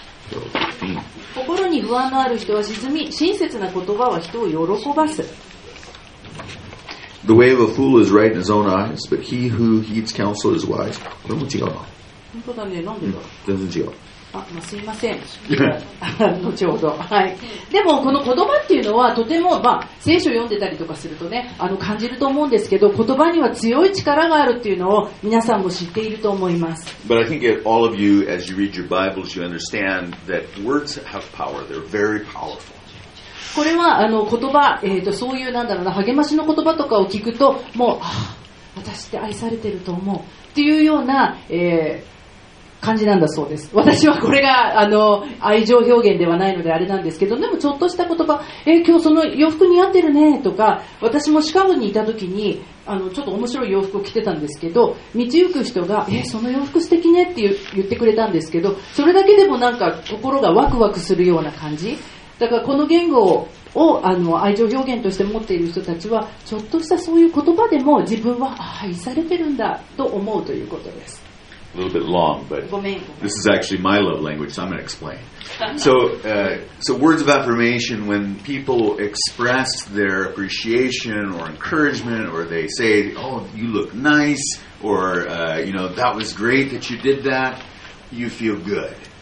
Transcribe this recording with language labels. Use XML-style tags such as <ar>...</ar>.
<ja>12:15は。心に不安のある人は沈み、親切な言葉は人を喜ばす。</ja> <en>The way of a fool is right in his own eyes, but he who heeds counsel is wise.</en> <ja>これも違うな。本当だね。なんでだ。全然違う。あ、まあ、すいません。後ほど。はい。でもこの言葉っていうのはとてもまあ聖書を読んでたりとかするとね、感じると思うんですけど、言葉には強い力があるっていうのを皆さんも知っていると思います。</ja> <en>But I think that all of you, as you read your Bibles, you understand that words have power. They're very powerful.</en> <ja>これは言葉、そういうなんだろうな、励ましの言葉とかを聞くと、もう、私って愛されてると思うっていうような、感じなんだそうです。私はこれが愛情表現ではないのであれなんですけど、でもちょっとした言葉、今日その洋服似合ってるねとか、私もシカゴにいた時にちょっと面白い洋服を着てたんですけど、道行く人が、その洋服素敵ねって言ってくれたんですけど、それだけでもなんか心がワクワクするような感じ。だからこの言語を愛情表現として持っている人たちはちょっとしたそういう言葉でも自分は愛されてるんだと思うということです。</ja> <en>A little bit long, but this is actually my love language, so I'm going to explain. So words of affirmation, when people express their appreciation or encouragement, or they say, oh, you look nice, or, you know, that was great that you did that, you feel good.</en>